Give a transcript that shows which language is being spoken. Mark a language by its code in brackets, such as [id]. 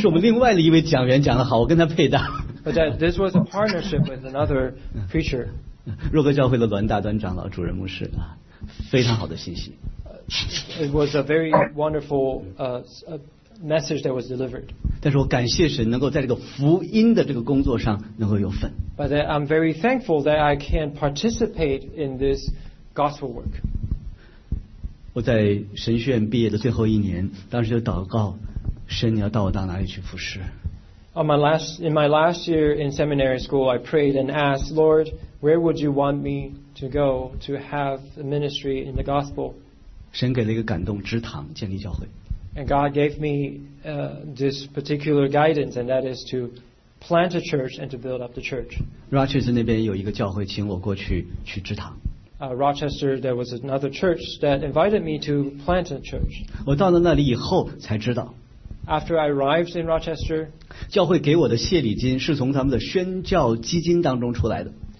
[zh] 是我们另外的一位讲员讲的好，我跟他配搭。 [en] But that this was a partnership with another preacher. [zh] 若歌教会的栾大端长老、主任牧师啊，非常好的信息。 [en] It was a very wonderful message that was delivered. [zh] 但是我感谢神能够在这个福音的这个工作上能够有份。 [en] But that I'm very thankful that I can participate in this gospel work. [zh] 我在神学院毕业的最后一年，当时就祷告，神，你要到我到哪里去服侍 [en] ？In my last year in seminary school, I prayed and asked, Lord, where would you want me to go to have a ministry in the gospel? [zh] 神给了一个感动，职堂建立教会。 [en] And God gave me this particular guidance, and that is to plant a church and to build up the church. [zh] Rochester 那边有一个教会请我过去去支堂。 [en] Rochester, there was another church that invited me to plant a church. [zh] 我到了那里以后才知道。 [en] After I arrived in Rochester, [zh] 教会给我的谢礼金是从他们的宣教基金当中出来的。